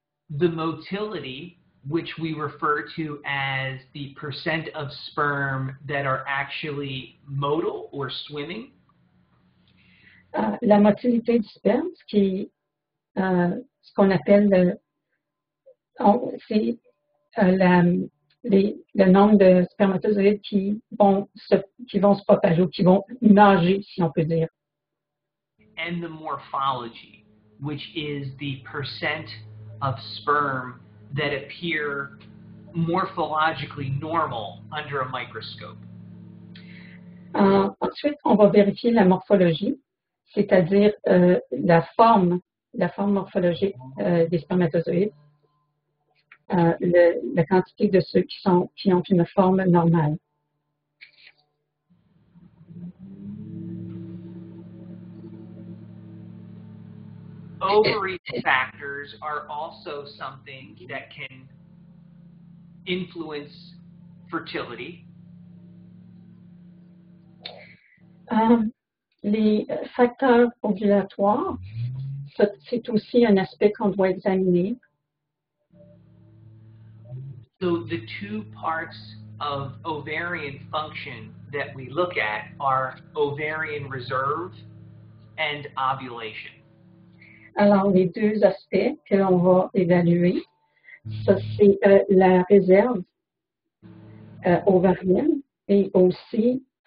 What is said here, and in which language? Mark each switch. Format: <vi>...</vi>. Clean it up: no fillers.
<en>The motility, which we refer to as the percent of sperm that are actually motile or swimming.</en> <fr>La motilité du sperme, ce qu'on appelle le nombre de spermatozoïdes qui vont se propager ou qui vont nager, si on peut dire.</fr> <en>And the morphology, which is the percent of sperm that appear morphologically normal under a microscope.</en> <fr>Ensuite, on va vérifier la morphologie, c'est-à-dire la forme morphologique des spermatozoïdes. La quantité de ceux qui ont une forme normale.</fr> <en>Ovary factors are also something that can influence fertility.</en> <fr>Les facteurs ovulatoires, c'est aussi un aspect qu'on doit examiner.</fr> <en>So the 2 parts of ovarian function that we look at are ovarian reserve and ovulation.</en> <fr>Alors, les 2 aspects que l'on va évaluer, ça c'est la réserve ovarienne et aussi...</fr>